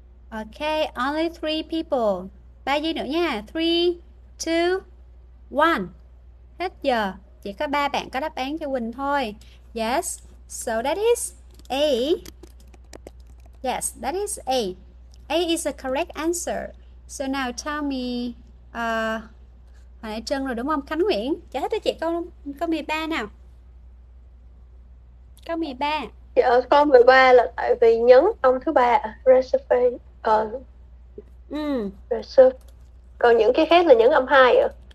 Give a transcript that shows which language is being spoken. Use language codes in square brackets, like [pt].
[en] Ok, only three people. [vi] 3 giây nữa nha. 3, 2, One. Hết giờ. Chỉ có 3 bạn có đáp án cho Quỳnh thôi. [en] Yes. So that is A. Yes, that is A. A is the correct answer. So now tell me. [vi] Hồi nãy Trân rồi đúng không? Khánh Nguyễn. Chả hết cho chị câu 13 nào. Câu 13. Thì ở câu 13 là tại vì nhấn ông thứ ba reserve reserve còn những cái khác là nhấn âm hai ạ.